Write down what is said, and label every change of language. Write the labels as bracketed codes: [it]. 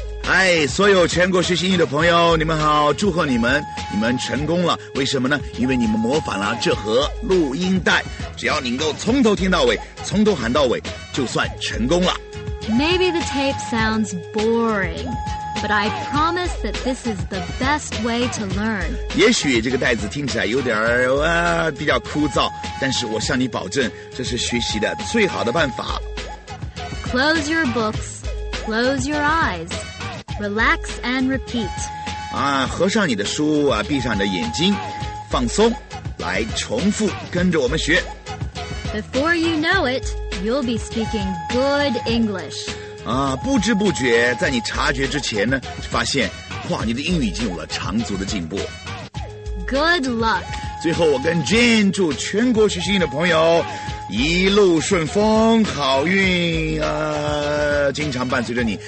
[zh] Hi, 所有全国学习英语的朋友，你们好，祝贺你们，你们成功了。为什么呢？因为你们模仿了这盒录音带。只要你能够从头听到尾，从头喊到尾，就算成功了。 [en] Maybe the tape sounds boring, but I promise that this is the best way to learn. [zh] 也许这个带子听起来有点比较枯燥。但是我向你保证，这是学习的最好的办法。 [en] Close your books, close your eyes, relax and repeat. [zh] 啊，合上你的书啊，闭上你的眼睛，放松，来重复，跟着我们学。 [en] Before you know it, you'll be speaking good English. [zh] 啊，不知不觉，在你察觉之前呢，发现，哇，你的英语已经有了长足的进步。 [en] Good luck. [zh] 最后我跟 Jane 祝全国学习英语的朋友一路顺风好运啊，经常伴随着你。